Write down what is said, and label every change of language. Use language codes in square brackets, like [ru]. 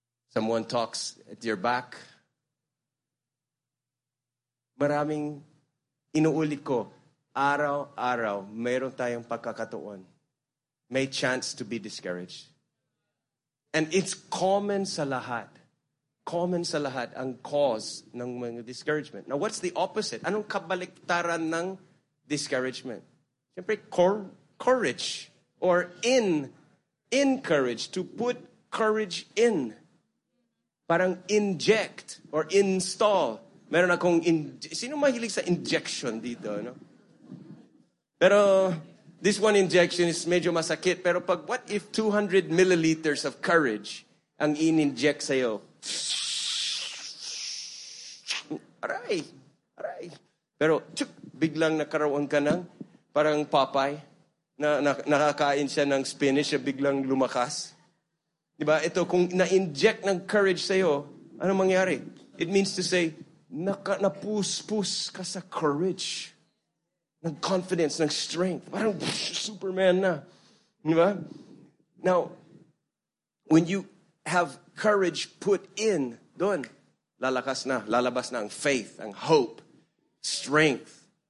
[en] Someone talks at your back. [tl] Maraming inuulit ko, araw-araw, meron tayong pagkakataon. [en] May chance to be discouraged. And it's common [tl] sa lahat. Common sa lahat ang cause ng mga discouragement. [en] Now, what's the opposite? [tl] Anong kabaliktaran ng discouragement? [en] Siyempre, courage or encourage, to put courage in. [tl] Parang inject or install. Meron akong sino mahilig sa injection dito, no? [en] Pero this one injection is [tl] medyo masakit. Pero pag [en] what if 200 milliliters of courage [tl] ang in-inject sa'yo? Aray! Aray! Pero tsuk, biglang nakaroon ka ng parang Popeye nakakain siya ng spinach at biglang lumakas. Diba? Ito, kung na-inject ng courage sa'yo, ano mangyari? [en] It means to say, [tl] napuspus ka sa [en] courage. [tl] Ng confidence, ng strength. Parang Superman na. Diba? [en] Now, when you have courage put in, [tl] doon, lalakas na, lalabas na ang faith, ang hope, strength.